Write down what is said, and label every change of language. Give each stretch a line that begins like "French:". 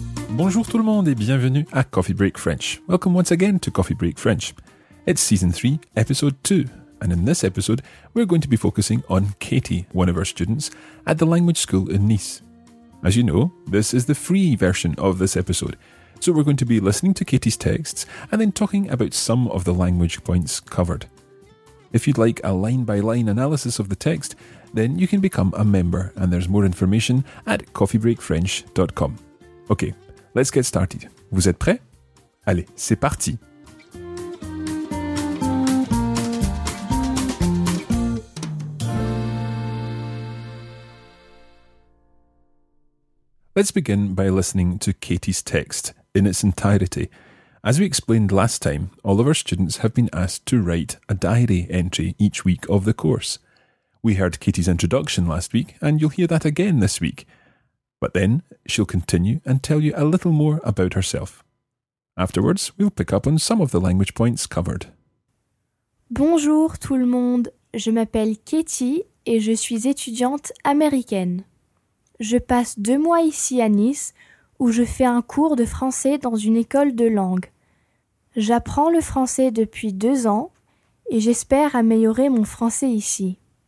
French: Bonjour tout le monde et bienvenue à Coffee Break French.
English: Welcome once again to Coffee Break French. It's Season 3, Episode 2, and in this episode, we're going to be focusing on Katie, one of our students at the language school in Nice. As you know, this is the free version of this episode. So we're going to be listening to Katie's texts and then talking about some of the language points covered. If you'd like a line-by-line analysis of the text, then you can become a member and there's more information at coffeebreakfrench.com. Okay, let's get started.
French: Vous êtes prêts? Allez, c'est parti!
English: Let's begin by listening to Katie's text in its entirety. As we explained last time, all of our students have been asked to write a diary entry each week of the course. We heard Katie's introduction last week, and you'll hear that again this week. But then she'll continue and tell you a little more about herself. Afterwards, we'll pick up on some of the language points covered.
French: Bonjour tout le monde, je m'appelle Katie et je suis étudiante américaine. Je passe 2 mois ici à Nice, où je fais un cours de français dans une école de langue. J'apprends le français depuis 2 ans et j'espère améliorer mon français ici.